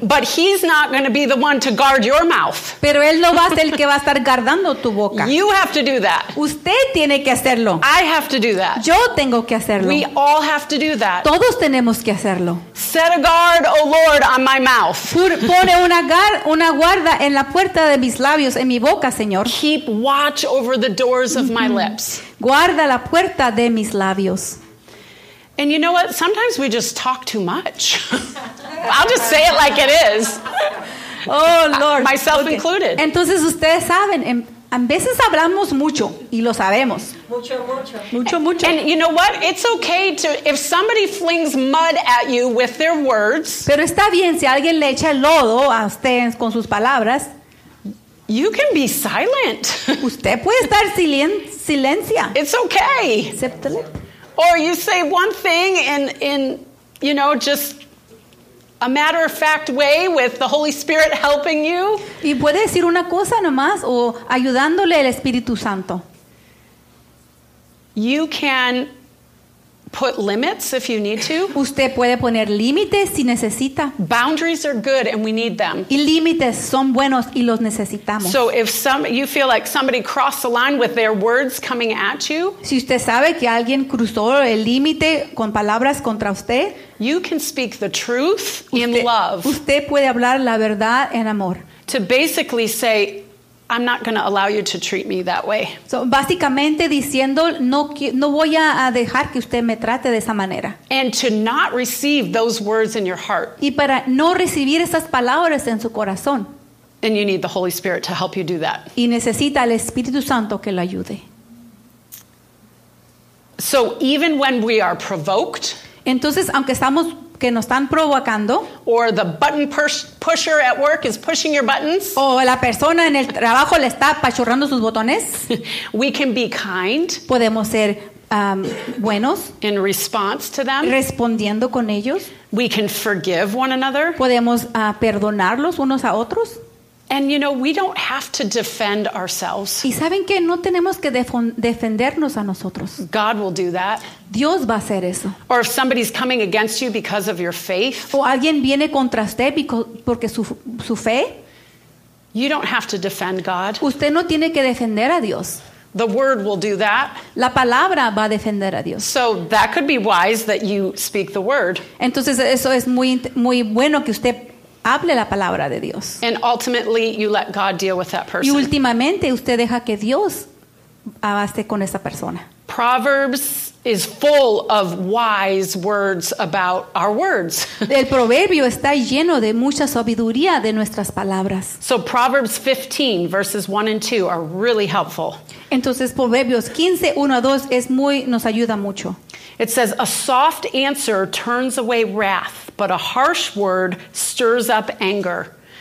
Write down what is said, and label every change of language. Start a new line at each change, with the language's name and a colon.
English: But he's not going to be the one to guard your mouth.
Spanish: Pero él no va a ser el que va a estar guardando tu boca.
English: You have to do that.
Spanish: Usted tiene que hacerlo.
English: I have to do that.
Spanish: Yo tengo que hacerlo.
English: We all have to do that.
Spanish: Todos tenemos que hacerlo.
English: Set a guard, oh Lord, on my mouth.
Spanish: Pone una guarda en la puerta de mis labios, en mi boca, Señor.
English: Keep watch over the doors of my lips.
Spanish: Guarda la puerta de mis labios.
English: And you know what? Sometimes we just talk too much. I'll just say it like it is. Oh, Lord. Myself okay. included.
Spanish: Entonces, ustedes saben, a veces hablamos mucho, y lo sabemos. Mucho.
English: And you know what? It's okay to, if somebody flings mud at you with their words.
Spanish: Pero está bien si alguien le echa el lodo a ustedes con sus palabras.
English: You can be silent.
Spanish: Usted puede estar silencia.
English: It's okay.
Spanish: Acéptale.
English: Or you say one thing in you know, just a matter-of-fact way with the Holy Spirit helping you.
Spanish: Y puede decir una cosa nomás o ayudándole el Espíritu Santo.
English: You can put limits if you need to.
Spanish: Usted puede poner límites si necesita.
English: Boundaries are good and we need them.
Spanish: Y límites son buenos y los necesitamos.
English: So if you feel like somebody crossed the line with their words coming at you,
Spanish: si usted sabe que alguien cruzó el límite con palabras contra usted,
English: you can speak the truth in love.
Spanish: Usted puede hablar la verdad en amor.
English: To basically say, I'm not going to allow you to treat me that way.
Spanish: So, básicamente diciendo, no voy a dejar que usted me trate de esa manera.
English: And to not receive those words in your heart.
Spanish: Y para no recibir esas palabras en su corazón.
English: And you need the Holy Spirit to help you do that.
Spanish: Y necesita el Espíritu Santo que lo ayude.
English: So, even when we are provoked,
Spanish: entonces, aunque estamos que nos están provocando,
English: or the button pusher at work is pushing your buttons,
Spanish: o la persona en el trabajo le está apachurrando sus botones,
English: we can be kind,
Spanish: podemos ser buenos
English: in response to them,
Spanish: respondiendo con ellos,
English: we can forgive one another,
Spanish: podemos perdonarlos unos a otros.
English: And you know, we don't have to defend ourselves.
Spanish: ¿Y saben qué? No tenemos que defendernos a nosotros.
English: God will do that.
Spanish: Dios va a hacer eso.
English: Or if somebody's coming against you because of your faith.
Spanish: O alguien viene contra usted porque su fe.
English: You don't have to defend God.
Spanish: Usted no tiene que defender a Dios.
English: The word will do that.
Spanish: La palabra va a defender a Dios.
English: So that could be wise that you speak the word.
Spanish: Entonces eso es muy, muy bueno que usted hable la palabra de Dios.
English: And ultimately you let God deal with that person.
Spanish: Y últimamente usted deja que Dios hable con esa persona.
English: Proverbs is full of wise words about our words.
Spanish: El proverbio está lleno de mucha sabiduría de nuestras palabras.
English: So Proverbs 15 verses 1 and 2 are really helpful.
Spanish: Entonces Proverbios 15 1 a 2 es muy nos ayuda mucho.
English: It says a soft answer turns away wrath, but a harsh word stirs up anger.